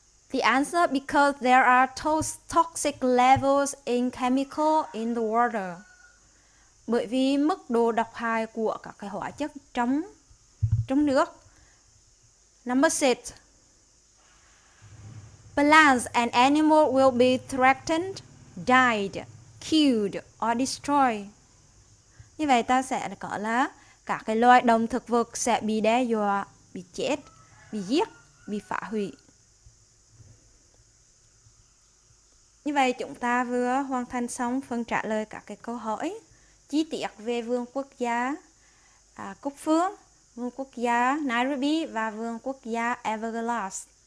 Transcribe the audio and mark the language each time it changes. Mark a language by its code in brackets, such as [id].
[en] The answer because there are toxic levels in chemical in the water. [vi] Bởi vì mức độ độc hại của các cái hóa chất trong nước. [en] Number 6. Plants and animals will be threatened, died, killed or destroyed. [vi] Như vậy ta sẽ có là các cái loài động thực vật sẽ bị đe dọa, bị chết, bị giết, bị phá hủy. Như vậy chúng ta vừa hoàn thành xong phần trả lời các cái câu hỏi chi tiết về vương quốc gia Cuc Phuong, vương quốc gia Nairobi và vương quốc gia Everglades.